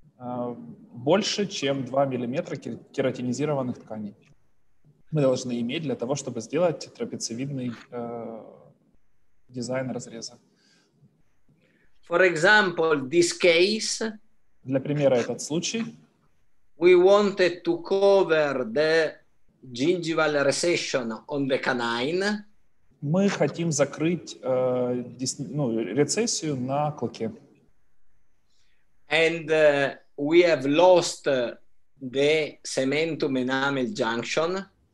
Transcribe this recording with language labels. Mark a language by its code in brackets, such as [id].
[ru] Больше, чем 2 миллиметра кератинизированных тканей. Мы должны иметь для того, чтобы сделать трапециевидный дизайн разреза. [en] For example, this case. [ru] Для примера этот случай. [en] We wanted to cover the gingival recession on the canine. [ru] Мы хотим закрыть рецессию на клыке. [en] And we have lost the cementum enamel junction.